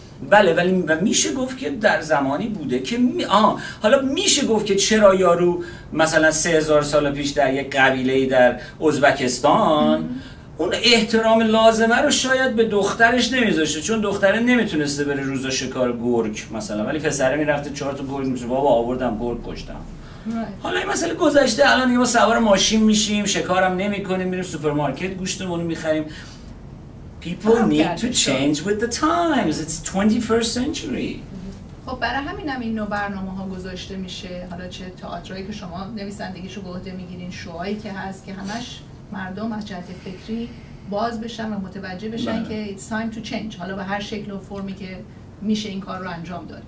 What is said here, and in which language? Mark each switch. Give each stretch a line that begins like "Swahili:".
Persian: بله، ولی میشه گفت که در زمانی بوده که حالا میشه گفت که چرا یارو مثلا 3,000 سال پیش در یک قبیله در ازبکستان اون احترام لازمه رو شاید به دخترش نمیذاشته، چون دختره نمیتونسته بره روزا شکار گرگ مثلا، ولی پسره میرفته 4 تا گرگ میشه بابا آوردم گرگ کشتم. حالا این مسئله گذشته، الان دیگه ما سوار ماشین میشیم، شکارم نمیکنیم، میریم سوپرمارکت گوشتمون رو میخریم.
English: People need to change with the times. It's 21st century.
Persian: خب برای همینم این نوع برنامه ها گذاشته میشه. حالا چه تئاترایی که شما نویسندگیشو به عهده میگیرین، شوهایی که هست که همش مردم از جهت فکری باز بشن و متوجه بشن که
English: it's time to change.
Persian: حالا به هر شکل و فرمی که میشه این کار رو انجام داد.